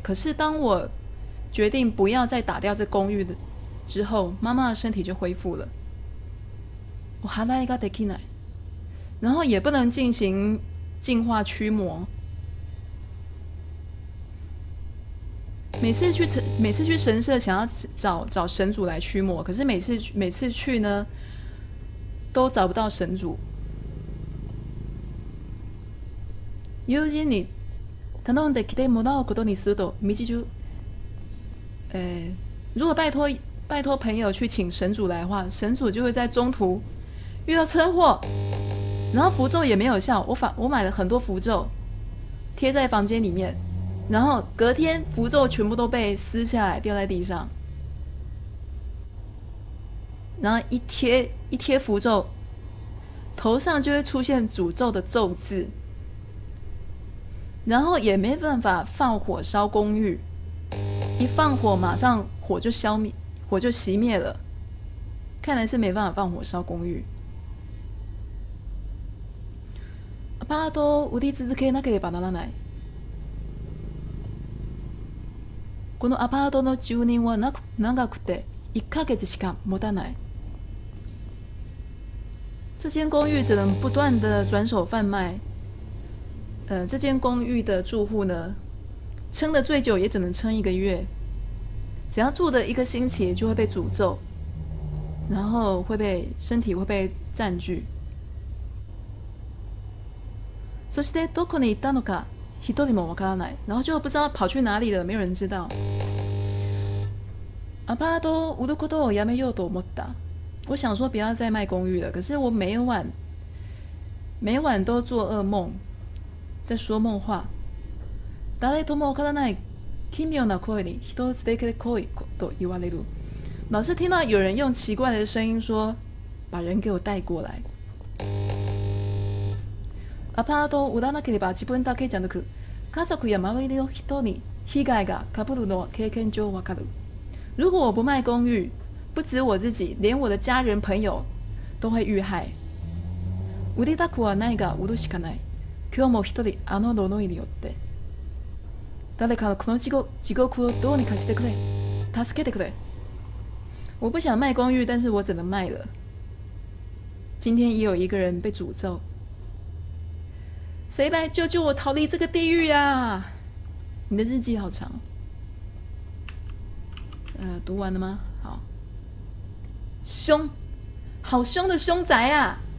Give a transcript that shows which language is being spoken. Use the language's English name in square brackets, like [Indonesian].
[Chinese] 可是当我决定不要再打掉这公寓的之后，妈妈的身体就恢复了。我哈拉伊嘎得起来，然后也不能进行净化驱魔。每次去神社想要找神主来驱魔，可是每次去呢，都找不到神主。 [Japanese] 友人に頼んで来てもらうことにすると道中。 [Chinese] 如果拜托朋友去请神主来的话，神主就会在中途遇到车祸，然后符咒也没有效。我买了很多符咒贴在房间里面，然后隔天符咒全部都被撕下来掉在地上，然后一贴符咒，头上就会出现诅咒的咒字，然后也没办法放火烧公寓。一放火马上火就熄灭了，看来是没办法放火烧公寓。 [Japanese] アパートを売り続けなければならない。このアパートの住人は長くて1ヶ月しか持たない。 [Chinese] 这间公寓只能不断的转手贩卖，这间公寓的住户呢撑得最久也只能撑一个月，只要住的一个星期就会被诅咒，然后身体会被占据。 [Japanese] そしてどこに行ったのか一人もわからない。 [Chinese] 然后就不知道跑去哪里了，没有人知道。 [Japanese] アパートを売ることをやめようと思った。 [Chinese] 我想说不要再卖公寓了，可是我每晚都做噩梦，在说梦话。 [Japanese] 誰ともわからない奇妙な声に人を連れて来いと言われる。 [Chinese] 老是听到有人用奇怪的声音说把人给我带过来。 [Japanese] アパートを売らなければ自分だけじゃなく家族や周りの人に被害がかぶるのは経験上わかる。 [Chinese] 如果我不卖公寓，不止我自己，连我的家人朋友都会遇害。 [Japanese] 売りたくはないが売るしかない。今日も一人あの呪いによって誰かこの地獄をどうにかしてくれ、助けてくれ。 [Chinese] 我不想卖公寓，但是我只能卖了。今天也有一个人被诅咒，谁来救救我逃离这个地狱呀？你的日记好长，读完了吗？好，凶，好凶的凶宅啊！